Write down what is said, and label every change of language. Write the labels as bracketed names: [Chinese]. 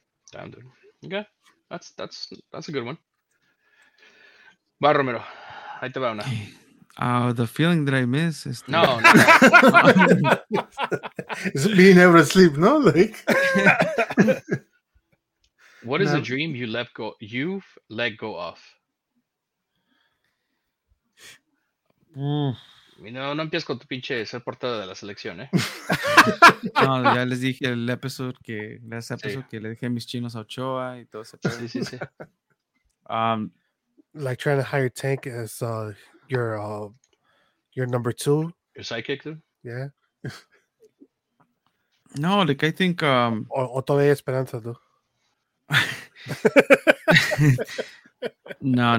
[English] Damn, dude. Okay. That's a good one. Va, Romero. [Spanish] Ahí te va una. [English] The feeling that I miss is... No. It's being able to sleep, no? Like... What is a dream you've let go of? [Spanish] No empiezas con tu pinche ser portada de la selección, ¿eh? No, ya les dije el episodio que que le dije mis chinos a Ochoa y todo ese pedo. Sí. [English] Like trying to hire Tank as your number two. Your sidekick, too? Yeah. No, like, I think... [Spanish] O todavía esperanza, ¿no?